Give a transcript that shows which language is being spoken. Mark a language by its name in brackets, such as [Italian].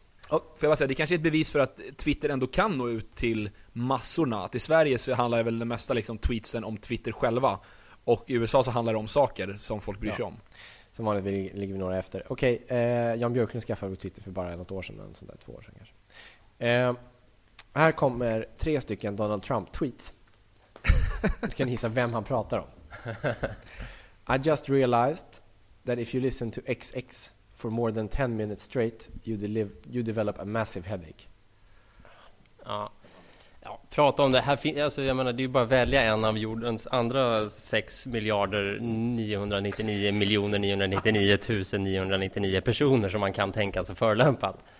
[Swedish] Och, får jag bara säga, det kanske är ett bevis för att Twitter ändå kan nå ut till massorna. Att i Sverige så handlar det väl det mesta liksom tweetsen om Twitter själva. Och i USA så handlar det om saker som folk bryr sig om. Som vanligt ligger vi några efter. Okej, Jan Björklund skaffade Twitter för bara något år sedan, en sån där, två år sedan kanske. Här kommer tre stycken Donald Trump-tweets. Nu ska ni gissa vem han pratar om. [English] I just realized that if you listen to XX for more than 10 minutes straight, you develop a massive headache. [Swedish] Ja. Ja, prata om det här, alltså jag menar, det är ju bara att välja en av jordens andra 6,999,999,999 personer som man kan tänka sig förelämpad.